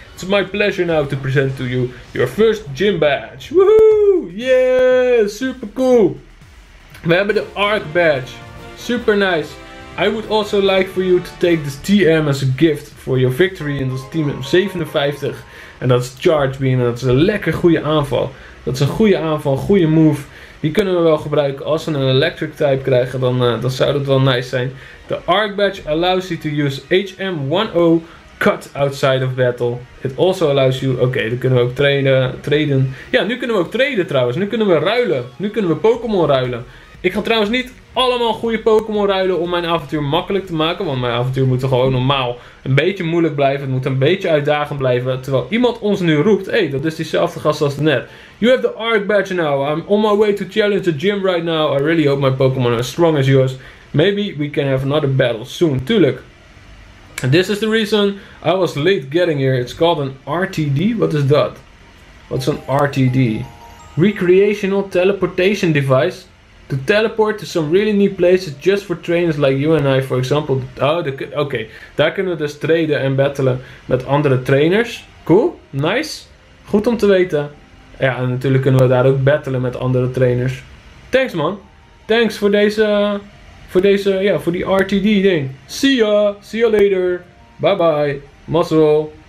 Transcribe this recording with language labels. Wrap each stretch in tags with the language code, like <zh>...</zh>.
<en>It's my pleasure now to present to you your first gym badge. Woohoo! Yeah! Super cool!</en> <nl>We hebben de Arc badge.</nl> <en>Super nice. I would also like for you to take this TM as a gift for your victory in this team 57.</en> <nl>En dat is Charge Beam. En dat is een lekker goede aanval. Dat is een goede aanval, een goede move. Die kunnen we wel gebruiken. Als we een electric type krijgen, dan zou dat wel nice zijn.</nl> <en>The Arc Badge allows you to use HM10 cut outside of battle. It also allows you...</en> <nl>Oké, dan kunnen we ook traden. Ja, nu kunnen we ook traden trouwens. Nu kunnen we ruilen. Nu kunnen we Pokémon ruilen. Ik ga trouwens niet allemaal goede Pokémon ruilen om mijn avontuur makkelijk te maken. Want mijn avontuur moet gewoon normaal een beetje moeilijk blijven. Het moet een beetje uitdagend blijven. Terwijl iemand ons nu roept. Hé, dat is diezelfde gast als net.</nl> <en>You have the Arc Badge now. I'm on my way to challenge the gym right now. I really hope my Pokémon are as strong as yours. Maybe we can have another battle soon.</en> <nl>Tuurlijk.</nl> <en>And this is the reason I was late getting here. It's called an RTD. What is that? What's an RTD? Recreational Teleportation Device. To teleport to some really neat places just for trainers like you and I, for example. Oh, okay.</en> <nl>Daar kunnen we dus traden en battelen met andere trainers. Cool, nice. Goed om te weten. Ja, en natuurlijk kunnen we daar ook battelen met andere trainers.</nl> <en>Thanks, man. Thanks</en> <nl>voor deze... voor die RTD ding.</nl> <en>See ya. See ya later. Bye bye. Muzzle.</en>